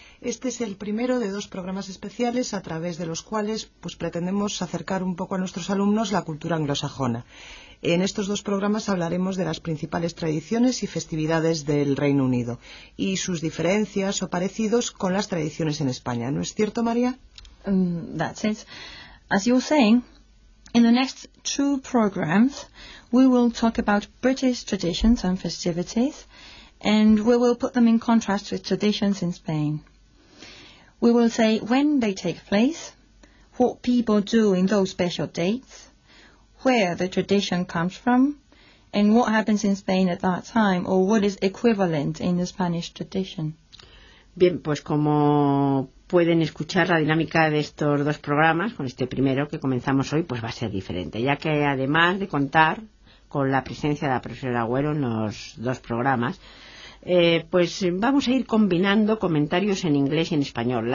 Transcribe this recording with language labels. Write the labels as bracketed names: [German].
[Spanish] Este es el primero de dos programas especiales a través de los cuales pues pretendemos acercar un poco a nuestros alumnos la cultura anglosajona. En estos dos programas hablaremos de las principales tradiciones y festividades del Reino Unido y sus diferencias o parecidos con las tradiciones en España. ¿No es cierto, María? [English] That's it. As you were saying, in the next two programs, we will talk about British traditions and festivities, and we will put them in contrast with traditions in Spain. We will say when they take place, what people do in those special dates, where the tradition comes from, and what happens in Spain at that time, or what is equivalent in the Spanish tradition. [Spanish] Bien, pues como pueden escuchar, la dinámica de estos dos programas, con este primero que comenzamos hoy, pues va a ser diferente, ya que además de contar con la presencia de la profesora Agüero en los dos programas, pues vamos a ir combinando comentarios en inglés y en español.